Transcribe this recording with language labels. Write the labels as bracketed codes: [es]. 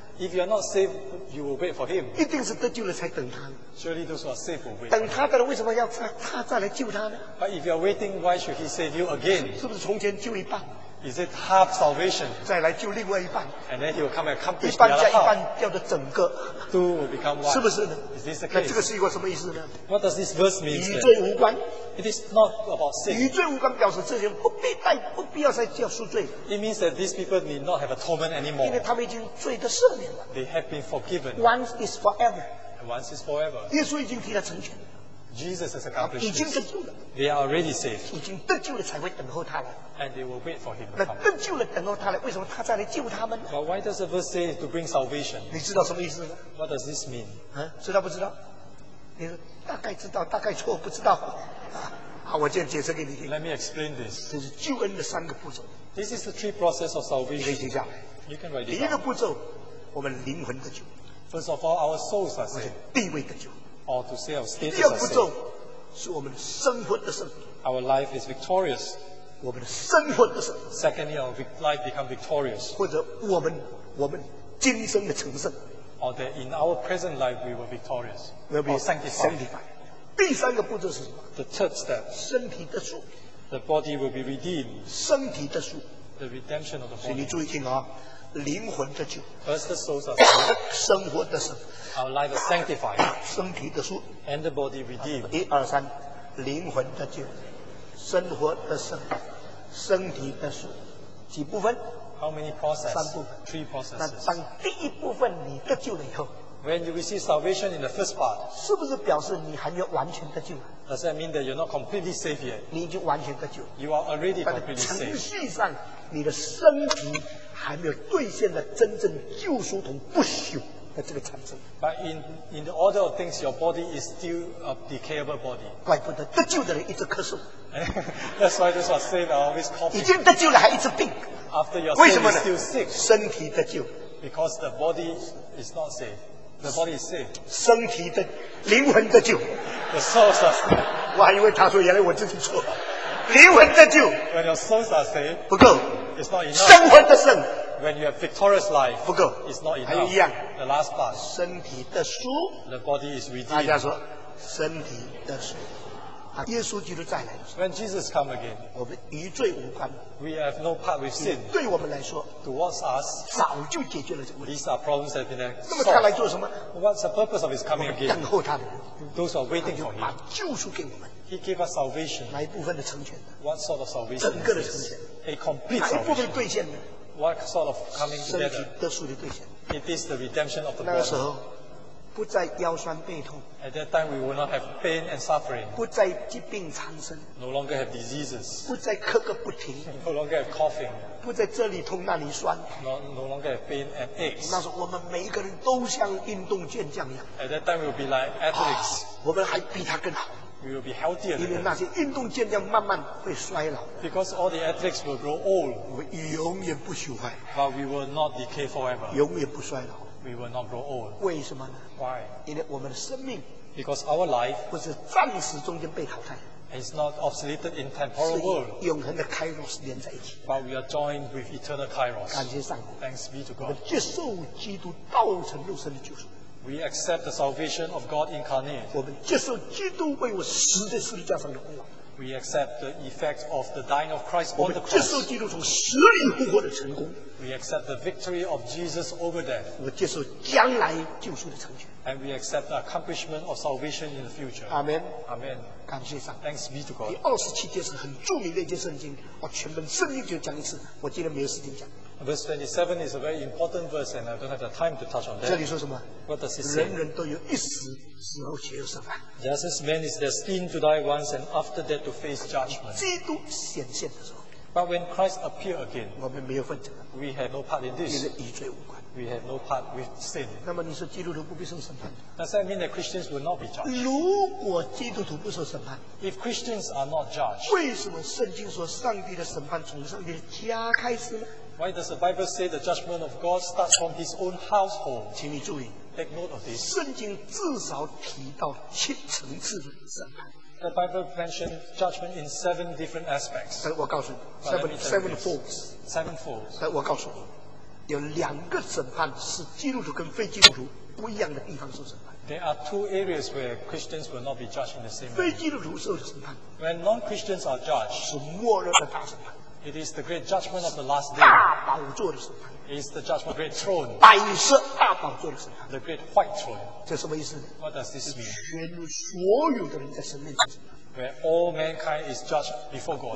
[en] If you are not saved, you will wait for him. [zh] 一定是得救了才等他。 [en] Surely those who are saved will wait. [zh] 等他的人为什么要他再来救他呢？ [en] But if you are waiting, why should he save you again? [zh] 是不是从前救一半？ [en] Is it half salvation? [zh] 再来救另外一半？ [en] And then he will come and accomplish the other half. [zh] 一半加一半掉的整个。 [en] Two will become one. [zh] 是不是呢？ [en] Is this the case? [zh] 那这个是一个什么意思呢？ [en] What does this verse mean? [zh] 与罪无关。 [en] It is not about sin. [zh] 与罪无关表示这些人不必带，不必要再叫赎罪。 [en] It means that these people need not have atonement anymore. [zh] 因为他们已经罪的赦免了。 [en] They have been forgiven. Once is forever. And once is forever. [zh] 耶稣已经替他成全。 [en] Jesus has accomplished. [zh] 已经得救了。 [en] They are already saved. [zh] 已经得救了才会等候他了。 [en] And they will wait for him. [zh] 那得救了等候他了，为什么他再来救他们呢？ [en] But why does the verse say to bring salvation? [zh] 你知道什么意思吗？ [en] What does this mean? [zh] 知道不知道？你说大概知道，大概错，不知道。好，我先解释给你听。 [en] Let me explain this. [zh] 这是救恩的三个步骤。 [en] This is the three process of salvation. [zh] 你可以记下来。 [en] You can write it down. [zh] 第一个步骤，我们灵魂得救。 [en] First of all, our souls are saved. [zh] 地位得救。 [en] Or to say our status. [zh] 第二步骤是我们生活的胜利。 [en] Our life is victorious. [zh] 我们的生活的胜利。 [en] Secondly, our life become victorious. [zh] 或者我们今生的成圣。 [en] Or that in our present life we were victorious. We'll be sanctified. [zh] 第三个步骤是什么？ [en] The third step. [zh] 身体的赎。 [en] The body will be redeemed. [zh] 身体的赎。 [en] The redemption of the body. [zh] 你注意听啊。灵魂的救 [en] First, the souls are saved. [zh] 生活的圣 [en] Our life is sanctified. [zh] 身体的赎 [en] And the body redeemed. [zh] 一二三灵魂的救生活的圣身体的赎几部分 [en] How many processes? [zh] 三部分 [en] Three processes. [zh] 那当第一部分你得救了以后 [en] When you receive salvation in the first part, [zh] 是不是表示你还没有完全得救？ [en] Does that mean that you're not completely saved yet? [zh] 你已经完全得救。 [en] You are already completely saved. [zh] 但程序上，你的身体还没有兑现的真正救赎同不朽的这个产生。 [en] But in the order of things, your body is still a decayable body. [zh] 怪不得得救的人一直咳嗽。 [en] That's why those who are saved are always coughing. [zh] 已经得救了还一直病。 [en] After your soul is still sick. [zh] 身体得救。 [en] Because the body is not saved. The body is saved. [zh] 身体的灵魂得救。 [en] The souls are saved. [zh] 我还以为他说原来我自己错了。灵魂得救。 [en] When your souls are saved. [zh] 不够。 [en] It's not enough. [zh] 生活的胜。 [en] When you have victorious life. [zh] 不够。 [en] It's not enough. [zh] 还有一样。 [en] The last part. [zh] 身体的书。 [en] The body is redeemed. [zh] 大家说身体的书。耶稣基督再来。 [en] When Jesus come again. [zh] 我们与罪无关。 [en] We have no part with sin. [zh] 对我们来说。 [en] Towards us. [zh] 早就解决了这个问题。 [en] These are problems that have been solved. [zh] 那么他来做什么？ [en] What's the purpose of his coming again? [zh] 等候他的人。 [en] Those are waiting for him. [zh] 他就把救赎给我们。 [en] He gave us salvation. [zh] 哪一部分的成全？ [en] What sort of salvation? [zh] 整个的成全。 [en] A complete salvation. [zh] 哪一部分兑现的？ [en] What sort of coming together? [zh] 身体得赎的兑现。 [en] It is the redemption of the body. [zh] 那个时候不再腰酸背痛。 [en] At that time, we will not have pain and suffering. [zh] 不再疾病缠身。 [en] No longer have diseases. [zh] 不再咳个不停。 [en] No longer have coughing. [zh] 不再这里痛那里酸。 [en] No longer have pain and aches. [zh] 那时候我们每一个人都像运动健将一样。 [en] At that time, we will be like athletes. [zh] 我们还比他更好。 [en] We will be healthier. [zh] 因为那些运动健将慢慢会衰老。 [en] Because all the athletes will grow old. [zh] 我们永远不朽坏。 [en] But we will not decay forever. [zh] 永远不衰老。 [en] We will not grow old. [zh] 为什么呢？ [en] Why? [zh] 因为我们的生命， [en] Because our life [zh] 不是暂时中间被淘汰， [en] It's not obsolete in temporal world. [zh] 是永恒的 Kairos 连在一起。 [en] But we are joined with eternal Kairos. [zh] 感谢上帝。 [en] Thanks be to God. [zh] 我们接受基督道成肉身的救赎。 [en] We accept the salvation of God incarnate. [zh] 我们接受基督为我死在十字架上的功劳。 [en] We accept the effect of the dying of Christ on the cross. [zh] 我们接受基督从死里复活的成功。 [en] We accept the victory of Jesus over death. [zh] 我接受将来救赎的成全。 [en] And we accept the accomplishment of salvation in the future. Amen. Amen. [zh] 感谢上帝。 [en] Thanks be to God. [zh] 第二十七节是很著名的一节圣经，我全本圣经就讲一次，我今天没有时间讲。 [en] Verse 27 is a very important verse, and I don't have the time to touch on that. [zh] 这里说什么？ [en] What does it say? [zh] 人人都有一死，死后岂有审判？ [en] Just as man is destined to die once, and after that to face judgment. [zh] 基督显现的时候。 [en] But when Christ appear again, [zh] 我们没有份子。 [en] We have no part in this. [zh] 因为与罪无关。 [en] We have no part with sin. [zh] 那么你说基督徒不必受审判？ [en] Does that mean that Christians will not be judged? [zh] 如果基督徒不受审判， [en] If Christians are not judged, [zh] 为什么圣经说上帝的审判从上帝的家开始呢？ [en] Why does the Bible say the judgment of God starts from his own household? [zh] 请你注意。 [en] Take note of this. [zh] 圣经至少提到七层次的审判。 [en] The Bible mentions judgment in seven different aspects. [zh] 我告诉你。 [en] Sevenfolds. Sevenfolds. [zh] 我告诉你。有两个审判是基督徒跟非基督徒不一样的地方受审判。 [en] There are two areas where Christians will not be judged in the same way. [zh] 非基督徒受审判。 [en] When non-Christians are judged. [zh] 是末日的大审判。 [en] It is the great judgment of the last day. [zh] 大宝座的审判。 [en] It is the judgment of the great throne. [zh] 百色大宝座的审判。 [en] The great white throne. [zh] 这什么意思呢？ [en] What does this mean? [zh] 全所有的人在神面前审判。 [en] Where all mankind is judged before God.